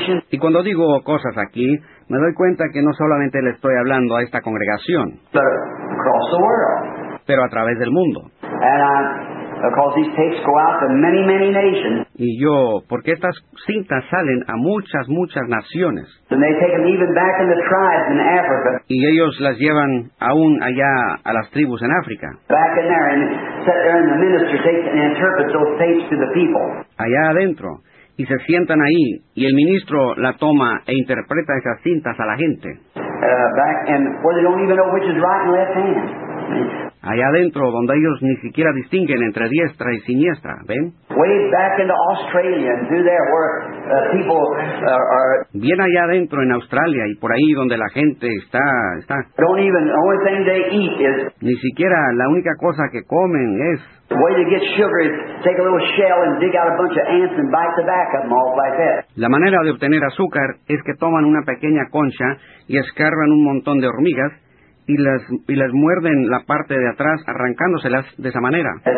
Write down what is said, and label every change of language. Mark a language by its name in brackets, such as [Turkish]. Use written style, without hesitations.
[Spanish] Y cuando digo cosas aquí, me doy cuenta que no solamente le estoy hablando a esta congregación, [English] but across the world. [Spanish] Pero a través del mundo. [English] And I Because these tapes go out to many, many nations. [Spanish] Y yo, porque estas cintas salen a muchas, muchas naciones. [English] And they take them even back into tribes in Africa. [Spanish] Y ellos las llevan aún allá a las tribus en África. [English] Back in there and sit there and the minister takes and interprets those tapes to the people. [Spanish] Allá adentro. Y se sientan ahí y el ministro la toma e interpreta esas cintas a la gente. [English] Back and where they don't even know which is right and left hand. [Spanish] Allá adentro, donde ellos ni siquiera distinguen entre diestra y siniestra, ¿ven? [English] Way back into Australia, through there where people are. [Spanish] Bien allá adentro en Australia y por ahí donde la gente está. [English] Don't even. The only thing they eat is. [Spanish] Ni siquiera la única cosa que comen es. [English] Way to get sugar is take a little shell and dig out a bunch of ants and bite the back of them all like that. [Spanish] La manera de obtener azúcar es que toman una pequeña concha y escarban un montón de hormigas. Y las muerden la parte de atrás, arrancándoselas de esa manera.